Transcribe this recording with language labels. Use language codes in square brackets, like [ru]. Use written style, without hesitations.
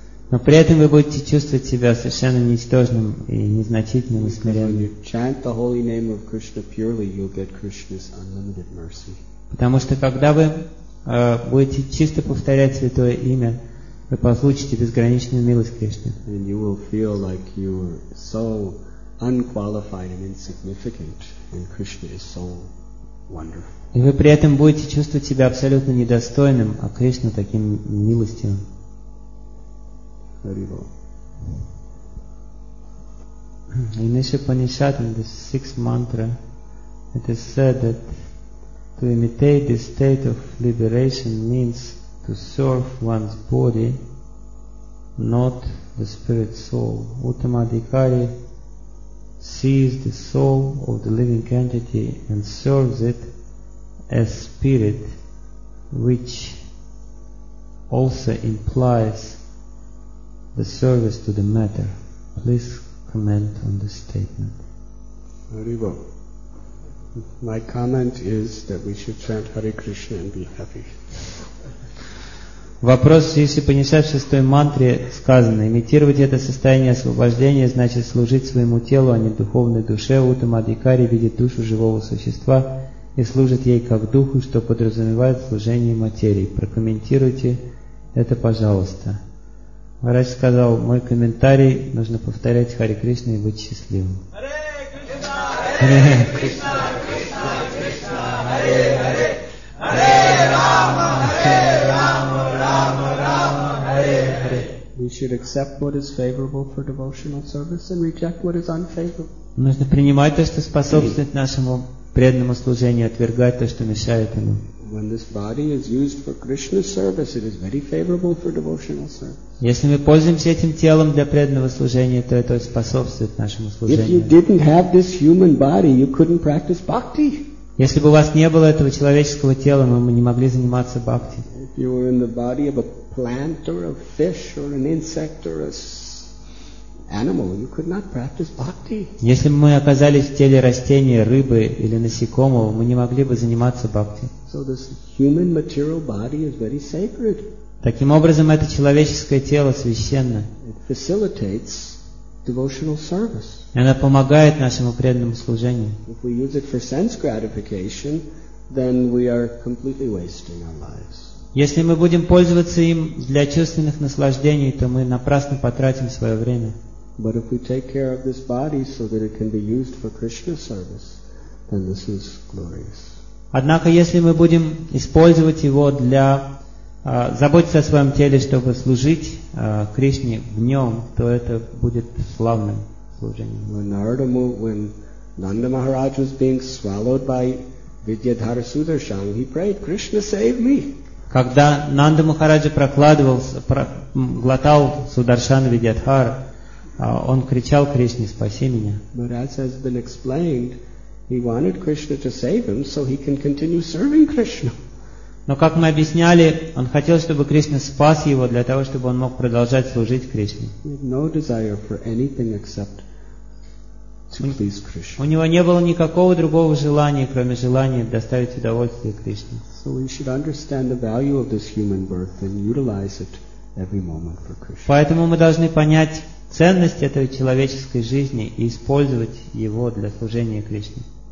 [ru] Но при этом вы будете чувствовать себя совершенно ничтожным и незначительным и смиренным. [en] Purely, [ru] потому что когда вы будете чисто повторять Святое Имя, вы получите безграничную милость Кришны. [en] And you will feel like you are so unqualified and insignificant, and Krishna is so wonderful. [ru] И вы при этом будете чувствовать себя абсолютно недостойным, а Кришна таким милостивым. [en] In Upanishad, in the sixth mantra, it is said that to imitate the state of liberation means to serve one's body, not the spirit soul. Uttama Adhikari sees the soul of the living entity and serves it as spirit, which also implies the service to the matter. Please comment on the statement. Haribo. My comment is that we should chant Hare Krishna and be happy. [ru] Вопрос, если понесать в шестой мантре сказано, имитировать это состояние освобождения значит служить своему телу, а не духовной душе. Уттама Адхикари видит душу живого существа и служит ей как духу, что подразумевает служение материи. Прокомментируйте это, пожалуйста. Врач сказал, мой комментарий, нужно повторять Харе Кришна и быть счастливым. Харе Кришна, Кришна, Харе Харе, Харе Рама, Харе Рама, Рама Рама, Харе Харе. [en] We should accept what is favorable for devotional service and reject what is unfavorable. [ru] Нужно принимать то, что способствует нашему преданному служению, отвергать то, что мешает ему. [en] When this body is used for Krishna's service, it is very favorable for devotional service. [ru] Если мы пользуемся этим телом для преданного служения, то это способствует нашему служению. [en] If you didn't have this human body, you couldn't practice bhakti. [ru] Если бы у вас не было этого человеческого тела, мы бы не могли заниматься бхакти. [en] If you were in the body of a plant or a fish or an insect or a animal, you could not practice bhakti. [ru] Если бы мы оказались в теле растения, рыбы или насекомого, мы не могли бы заниматься бхакти. [en] So this human material body is very sacred. [ru] Таким образом, это человеческое тело священно. [en] It facilitates devotional service. [ru] Оно помогает нашему преданному служению. [en] If we use it for sense gratification, then we are completely wasting our lives. [ru] Если мы будем пользоваться им для чувственных наслаждений, то мы напрасно потратим свое время. [en] But if we take care of this body so that it can be used for Krishna service, then this is glorious. [ru] Однако, если мы будем использовать его для заботиться о своем теле, чтобы служить Кришне в нем, то это будет славным служением. [en] When Nanda Maharaj was being swallowed by Vidyadhara Sudarshan, he prayed, Krishna, save me. [ru] Когда Нанда Махараджа глотал Сударшана Видьядхара, он кричал Кришне, спаси меня. [en] But as has been explained, he wanted Krishna to save him so he can continue serving Krishna. [ru] Но как мы объясняли, он хотел, чтобы Кришна спас его для того, чтобы он мог продолжать служить Кришне. [en] No desire for anything except to please Krishna. [ru] У него не было никакого другого желания, кроме желания доставить удовольствие Кришне. [en] So we should understand the value of this human birth and utilize it every moment for Krishna. [ru] Поэтому мы должны понять ценность этой человеческой жизни и использовать его для служения Кришне.